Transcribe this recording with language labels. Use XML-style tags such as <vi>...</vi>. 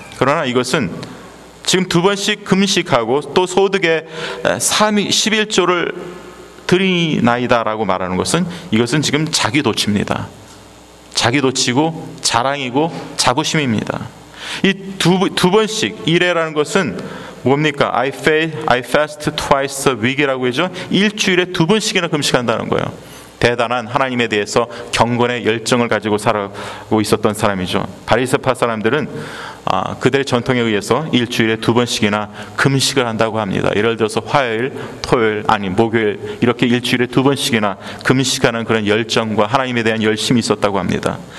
<ko>그러나 이것은 지금 두 번씩 금식하고 또 소득의 11조를 드리나이다 라고 말하는 것은, 이것은 지금 자기도치입니다. 자기도치고 자랑이고 자부심입니다. 이 두 번씩 이래라는 것은 뭡니까?</ko> <en>I fast twice a week</en> <ko>이라고 하죠. 일주일에 두 번씩이나 금식한다는 거예요. 대단한 하나님에 대해서 경건의 열정을 가지고 살고 있었던 사람이죠. 바리새파 사람들은 그들의 전통에 의해서 일주일에 두 번씩이나 금식을 한다고 합니다. 예를 들어서 화요일, 토요일, 아니 목요일 이렇게 일주일에 두 번씩이나 금식하는 그런 열정과 하나님에 대한 열심이 있었다고 합니다.</ko>